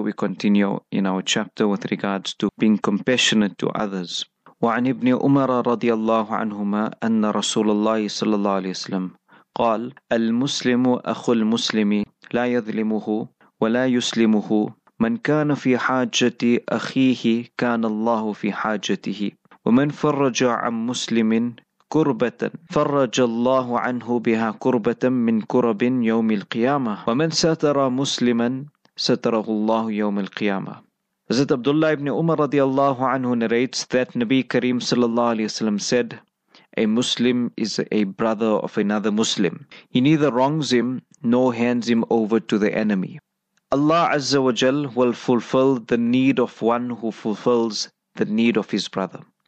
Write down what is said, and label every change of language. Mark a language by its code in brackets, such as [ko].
[en] We continue in our chapter with regards to being compassionate to others. [ar] وعن ابن عمر رضي الله عنهما أن رسول الله صلى الله عليه وسلم قال المسلم أخو المسلم لا يظلمه ولا يسلمه من كان في حاجة أخيه كان الله في حاجته ومن فرج عن مسلم كربة فرج الله عنه بها كربة من كرب يوم القيامة ومن ستر مسلما ستره الله يوم القيامة. [en] Hazrat Abdullah ibn Umar radiallahu anhu narrates that Nabi Kareem sallallahu alayhi wa sallam said, a Muslim is a brother of another Muslim. He neither wrongs him nor hands him over to the enemy. Allah Azza wa Jal will fulfill the need of one who fulfills the need of his brother.